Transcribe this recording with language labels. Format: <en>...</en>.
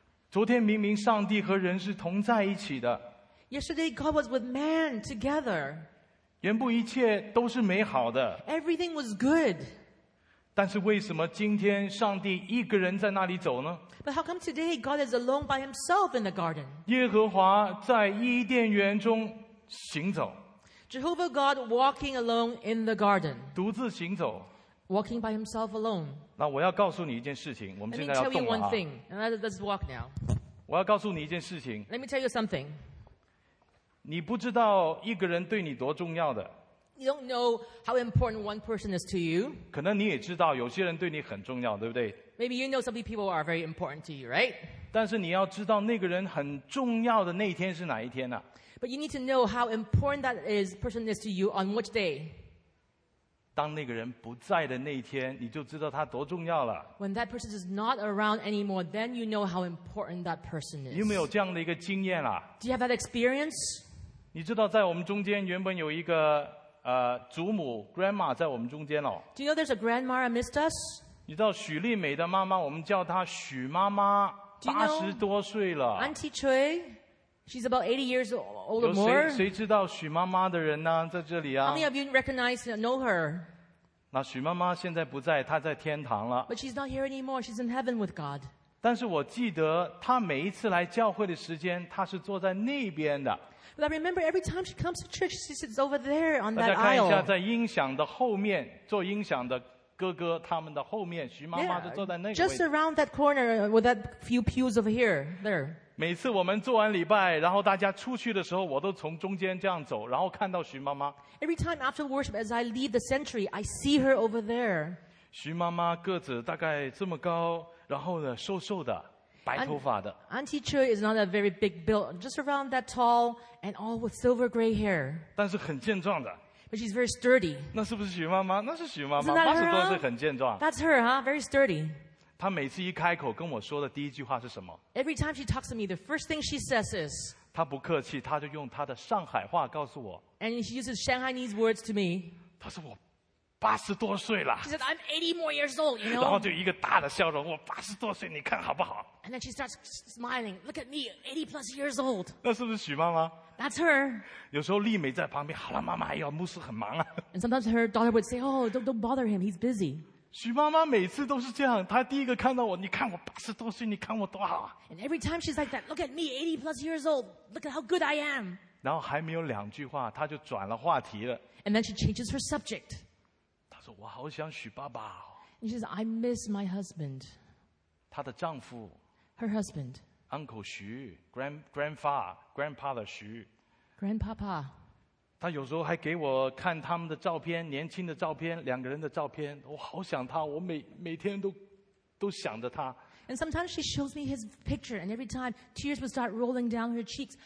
<zh>昨天明明上帝和人是同在一起的。</zh> <en>Yesterday God was with man together.</en> <zh>原本一切都是美好的。</zh> <en>Everything was good.</en> <zh>但是为什么今天上帝一个人在那里走呢？</zh> <en>But how come today God is alone by himself in the garden?</en> <zh>耶和华在伊甸园中行走。</zh> <en>Jehovah God walking alone in the garden.</en> <zh>独自行走。</zh> <en>Walking by himself alone.</en> <zh>那我要告诉你一件事情，我们现在要动了啊。</zh> <en>Let me tell you one thing. Let's walk now.</en> <zh>我要告诉你一件事情。</zh> <en>Let me tell you something.</en> <zh>你不知道一个人对你多重要的。</zh> <en>You don't know how important one person is to you.</en> <zh>可能你也知道有些人对你很重要，对不对？</zh> <en>Maybe you know some people are very important to you, right?</en> <zh>但是你要知道那个人很重要的那一天是哪一天啊。</zh> <en>But you need to know how important that is, person is to you on which day.</en> <zh>当那个人不在的那一天，你就知道他多重要了。</zh> <en>When that person is not around anymore, then you know how important that person is.</en> <zh>你有没有这样的一个经验啊？</zh> <en>Do you have that experience?</en> <zh>你知道在我们中间原本有一个祖母 grandma 在我们中间哦。</zh> <en>Do you know there's a grandma amidst us?</en> <zh>你知道许丽美的妈妈，我们叫她许妈妈，八十多岁了。</zh> <en>Auntie Choi, she's about 80 years old or more.</en> <zh>谁知道许妈妈的人呢？在这里啊。</zh> <en>How many of you recognize and know her?</en> <zh>那许妈妈现在不在，她在天堂了。</zh> <en>But she's not here anymore. She's in heaven with God.</en> <zh>但是我记得她每一次来教会的时间，她是坐在那边的。</zh> <en>But I remember every time she comes to church, she sits over there on that aisle.</en> <zh>大家看一下，在音响的后面，做音响的哥哥他们的后面，徐妈妈就坐在那个位置。</zh> <en>Just around that corner with that few pews over here, there.</en> <zh>每次我们做完礼拜，然后大家出去的时候，我都从中间这样走，然后看到徐妈妈。</zh> <en>Every time after worship, as I leave the sanctuary, I see her over there.</en> <zh>徐妈妈个子大概这么高，然后呢，瘦瘦的。白头发的。</zh> <en>Auntie Choi is not a very big build, just around that tall and all with silver gray hair.</en> <zh>但是很健壮的。</zh> <en>But she's very sturdy.</en> <zh>那是不是许妈妈？那是许妈妈，八十多岁很健壮。</zh> <en>That's her, huh? Very sturdy.</en> <zh>她每次一开口跟我说的第一句话是什么？</zh> <en>Every time she talks to me, the first thing she says is.</en> <zh>她不客气，她就用她的上海话告诉我。</zh> <en>And she uses Shanghainese words to me.</en> <zh>她说我。八十多岁了。</zh> <en>She said, I'm 80 more years old, you know?</en> <zh>然后就一个大的笑容，我八十多岁，你看好不好？</zh> <en>And then she starts smiling, look at me, 80 plus years old.</en> <zh>那是不是许妈妈？</zh> <en>That's her.</en> <zh>有时候丽美在旁边，好了，妈妈，哎呦，牧师很忙啊。</zh> <en>And sometimes her daughter would say, oh, don't bother him, he's busy.</en> <zh>许妈妈每次都是这样，她第一个看到我，你看我八十多岁，你看我多好啊。</zh> <en>And every time she's like that, look at me, 80 plus years old, look at how good I am.</en> <zh>然后还没有两句话，她就转了话题了。</zh> <en>And then she changes her subject.</en> <zh>我好想许爸爸。</zh> <en>She says, I miss my husband.</en> <zh>她的丈夫。</zh> <en>Her husband. Uncle 徐 Grandfather 徐。 Grandpapa.</en> <zh>她有时候还给我看他们的照片，年轻的照片，两个人的照片。我好想他，我 每天都想着他。</zh> <en>And sometimes she shows me his picture, and every time tears would start rolling down her cheeks.</en>